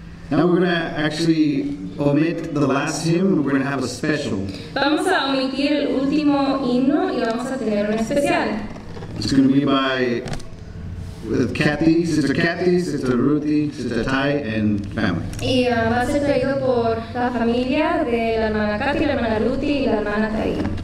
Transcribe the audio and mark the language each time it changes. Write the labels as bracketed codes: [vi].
[en] Now we're going to actually omit the last hymn. We're going to have a special. [es] Vamos a omitir el último himno y vamos a tener un especial. [en] It's going to be by with Kathy, Sister Kathy, Sister Ruthie, Sister Ty, and family. [es] Y va a ser traído por la familia de la hermana Kathy, la hermana Ruthie, y la hermana Ty.